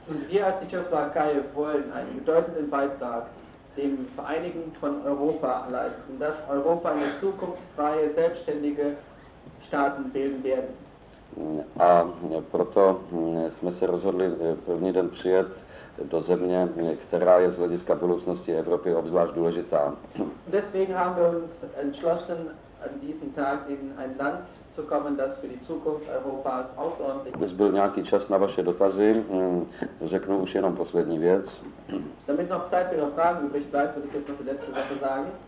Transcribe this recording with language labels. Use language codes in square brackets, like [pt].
[de] Wir als die Tschechoslowakei wollen einen bedeutenden Beitrag dem Vereinigen von Europa leisten, dass Europa in der Zukunft freie, selbstständige Staaten bilden werden. [cs] A proto jsme se rozhodli první den přijet do země, která je z hlediska budoucnosti Evropy obzvlášť důležitá. [de] Deswegen haben wir uns entschlossen, an diesem Tag in ein Land zu kommen, das für die Zukunft Europas außerordentlich ist. [cs] Byl nějaký čas na vaše dotazy, řeknu už jenom poslední věc. [de] Damit noch Zeit für Fragen übrig bleibt, würde ich jetzt noch die letzte Sache sagen.